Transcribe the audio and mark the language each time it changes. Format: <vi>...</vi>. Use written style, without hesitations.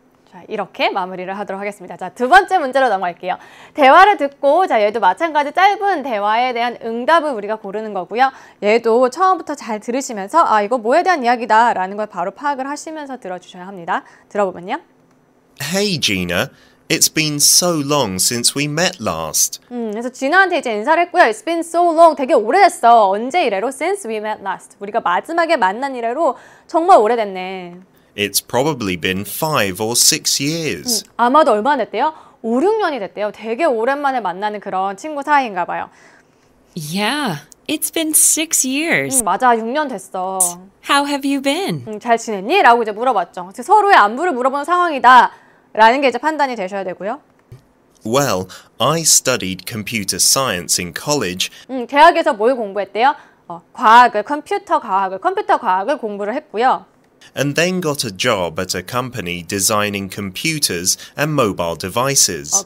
<ko>자, 이렇게 마무리를 하도록 하겠습니다. 자, 두 번째 문제로 넘어갈게요. 대화를 듣고 자, 얘도 마찬가지 짧은 대화에 대한 응답을 우리가 고르는 거고요. 얘도 처음부터 잘 들으시면서 아, 이거 뭐에 대한 이야기다 라는 걸 바로 파악을 하시면서 들어주셔야 합니다. 들어보면요.</ko> <en>Hey, Gina. It's been so long since we met last.</en> <ko>그래서 진아한테 이제 인사를 했고요.</ko> <en>It's been so long.</en> <ko>되게 오래됐어. 언제 이래로?</ko> <en>Since we met last.</en> <ko>우리가 마지막에 만난 이래로 정말 오래됐네.</ko> <en>It's probably been 5 or 6 years.</en> <ko>아마도 얼마 됐대요? 5, 6년이 됐대요. 되게 오랜만에 만나는 그런 친구 사이인가 봐요.</ko> <en>Yeah, it's been 6 years.</en> <ko>맞아, 6년 됐어.</ko> <en>How have you been?</en> <ko>잘 지냈니? 라고 이제 물어봤죠. 서로의 안부를 물어보는 상황이다 라는 게 이제 판단이 되셔야 되고요.</ko> <en>Well, I studied computer science in college.</en> <ko>대학에서 뭘 공부했대요? 과학을, 컴퓨터 과학을, 컴퓨터 과학을 공부를 했고요.</ko> <en>And then got a job at a company designing computers and mobile devices.</en>